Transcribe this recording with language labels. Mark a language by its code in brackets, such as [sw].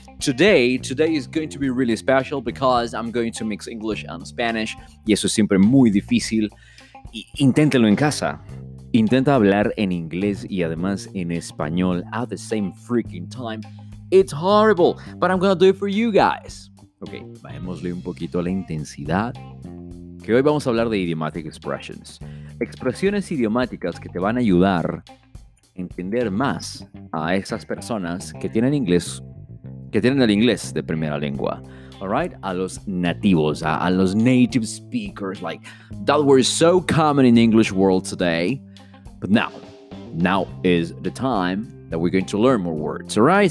[en] Today is going to be really special because I'm going to mix English and Spanish. [es] Y eso es siempre muy difícil. Inténtelo en casa. Intenta hablar en inglés y además en español [en] at the same freaking time. It's horrible, but I'm going to do it for you guys. [es] Ok, bajémosle un poquito a la intensidad. Que hoy vamos a hablar de [en] idiomatic expressions. [es] Expresiones idiomáticas que te van a ayudar entender más a esas personas que tienen inglés, que tienen el inglés de primera lengua, [en] all right? [es] A los nativos, a los [en] native speakers, like that were so common in the English world today. But now is the time that we're going to learn more words, all right?